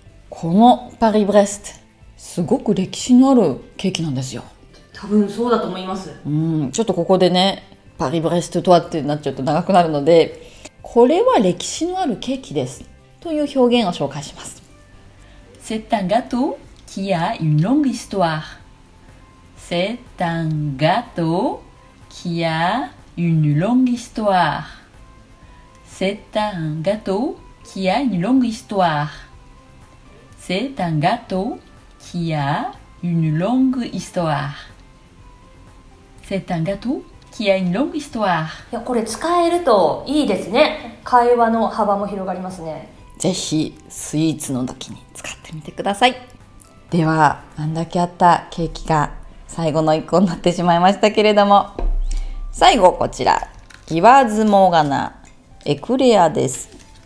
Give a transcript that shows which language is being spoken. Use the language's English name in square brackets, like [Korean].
[Japanese] このパリブレスト、すごく歴史のあるケーキなんですよ。多分そうだと思います。うん、ちょっとここでね、パリブレストとはってなっちゃうと長くなるので、これは歴史のあるケーキですという表現を紹介します。 [French] C'est un gâteau qui a une longue histoire. C'est c'est un gâteau qui a une longue histoire. C'est un gâteau qui a une longue histoire. C'est un gâteau qui a une longue histoire. C'est un gâteau qui a une longue histoire. [Japanese] いや、これ使えるといいですね。会話の幅も広がりますね。ぜひスイーツの時に使ってみてください。では、あんだけあったケーキが最後の一個になってしまいましたけれども、最後こちら、ギワーズモーガナエクレアです。